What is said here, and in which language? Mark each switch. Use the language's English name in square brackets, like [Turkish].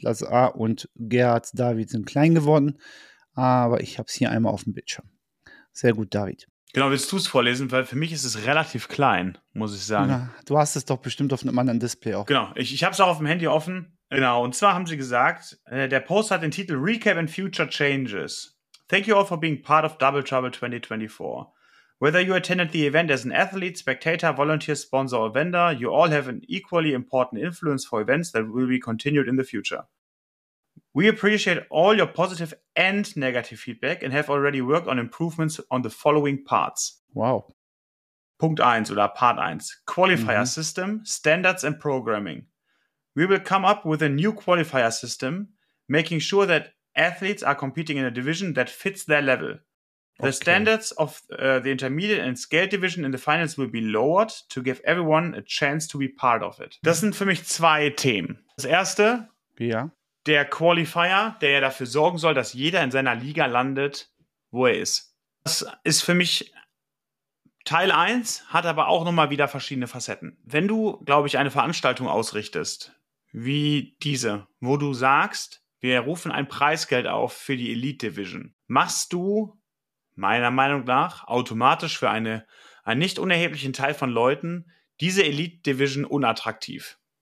[German] Lazar und Gerhard David sind klein geworden, aber ich habe es hier einmal auf dem Bildschirm. Sehr gut, David. Genau, willst du es vorlesen? Weil für mich ist es relativ klein, muss ich sagen. Na, du hast es doch bestimmt auf einem anderen Display auch. Genau, ich habe es auch auf dem Handy offen. Genau, und zwar haben sie gesagt, der Post hat den Titel Recap and Future Changes. [English] Thank you all for being part of Double Trouble 2024. Whether you attended the event as an athlete, spectator, volunteer, sponsor or vendor, you all have an equally important influence for events that will be continued in the future. We appreciate all your positive and negative feedback and have already worked on improvements on the following parts. [German] Wow. Punkt 1 oder [English] Part 1. Qualifier system, standards and programming. We will come up with a new qualifier system, making sure that athletes are competing in a division that fits their level. The standards of the intermediate and scale division in the finals will be lowered to give everyone a chance to be part of it. [German] Das sind für mich zwei Themen. Das erste, ja, der Qualifier, der ja dafür sorgen soll, dass jeder in seiner Liga landet, wo er ist. Das ist für mich Teil 1, hat aber auch nochmal wieder verschiedene Facetten. Wenn du, glaube ich, eine Veranstaltung ausrichtest, wie diese, wo du sagst, wir rufen ein Preisgeld auf für die Elite Division, machst du meiner Meinung nach automatisch für einen nicht unerheblichen Teil von Leuten diese Elite-Division unattraktiv.